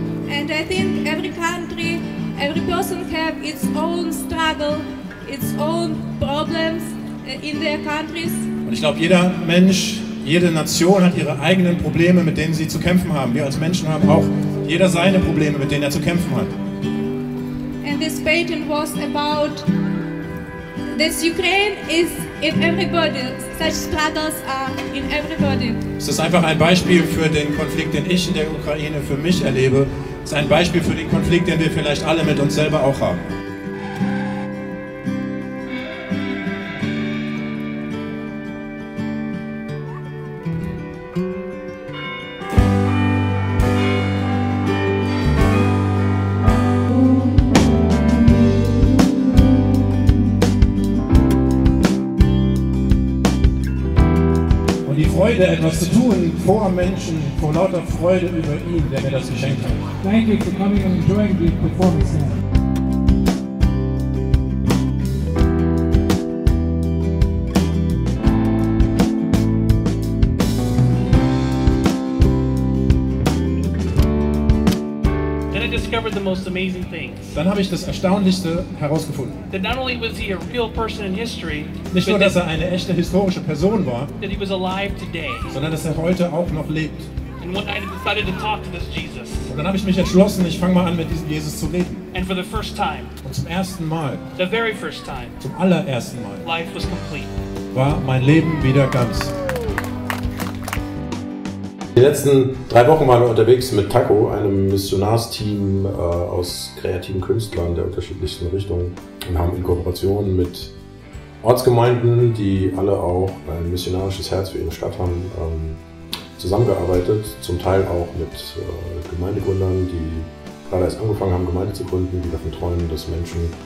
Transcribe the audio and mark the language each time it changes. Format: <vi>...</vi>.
<en>And I think every country, every person have its own struggle, its own problems in their countries.</en> <de>Und ich glaube, jeder Mensch, jede Nation hat ihre eigenen Probleme, mit denen sie zu kämpfen haben. Wir als Menschen haben auch jeder seine Probleme, mit denen er zu kämpfen hat.</de> <en>And this painting was about this Ukraine is in everybody. Such struggles are in everybody.</en> <de>Es ist einfach ein Beispiel für den Konflikt, den ich in der Ukraine für mich erlebe. Es ist ein Beispiel für den Konflikt, den wir vielleicht alle mit uns selber auch haben. Etwas zu tun vor Menschen, vor lauter Freude über ihn, der mir das geschenkt hat.</de> <en>Thank you for coming and enjoying the performance now. Then I discovered the most amazing things.</en> <de>Dann habe ich das Erstaunlichste herausgefunden.</de> <en>That not only was he a real person in history,</en> <de>nicht nur, dass er eine echte historische Person war,</de> <en>that he was alive today.</en> <de>Sondern dass er heute auch noch lebt.</de> <en>And one night I decided to talk to this Jesus.</en> <de>Und dann habe ich mich entschlossen, ich fange mal an, mit diesem Jesus zu reden.</de> <en>And for the first time,</en> <de>und zum ersten Mal,</de> <en>the very first time,</en> <de>zum allerersten Mal,</de> <en>life was complete.</en> <de>War mein Leben wieder ganz. Die letzten drei Wochen waren wir unterwegs mit TACO, einem Missionarsteam aus kreativen Künstlern der unterschiedlichsten Richtungen, und haben in Kooperation mit Ortsgemeinden, die alle auch ein missionarisches Herz für ihre Stadt haben, zusammengearbeitet, zum Teil auch mit Gemeindegründern, die gerade erst angefangen haben, Gemeinde zu gründen, die davon träumen, dass Menschen</de>